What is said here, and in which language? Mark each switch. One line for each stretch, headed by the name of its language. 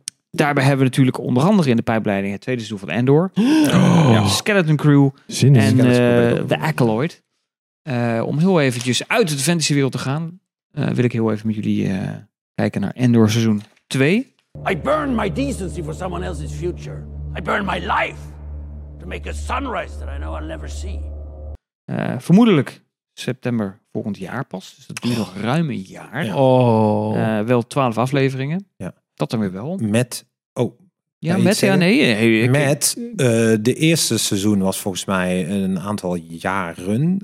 Dutch: Daarbij hebben we natuurlijk onder andere in de pijpleiding het tweede seizoen van Andor. Oh. Skeleton Crew. Zin en The Acolyte. Om heel eventjes uit de fantasy wereld te gaan. Wil ik heel even met jullie kijken naar Andor seizoen 2.
English: I burn my decency for someone else's future. I burn my life. To make a sunrise that I know I'll never see.
Dutch: Vermoedelijk september volgend jaar pas. Dus dat duurt nog ruim een jaar. Ja. Oh. Wel 12 afleveringen. Ja. Dat dan weer wel. Met, oh. Ja, met, ja, nee. Met, de eerste seizoen was volgens mij een aantal jaren.